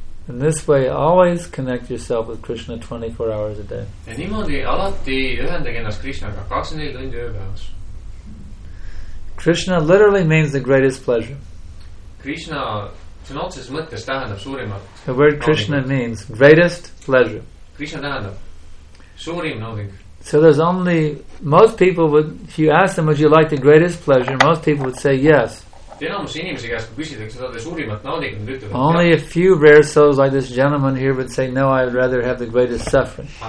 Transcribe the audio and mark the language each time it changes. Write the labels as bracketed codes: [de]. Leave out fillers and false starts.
[en] In this way, always connect yourself with Krishna 24 hours a day. Krishna literally means the greatest pleasure. The word Krishna means greatest pleasure. [et] Krishna tähendab suurim nauding. [en] So there's only, most people would, if you ask them, would you like the greatest pleasure, most people would say yes. Only a few rare souls like this gentleman here would say, no, I'd rather have the greatest suffering.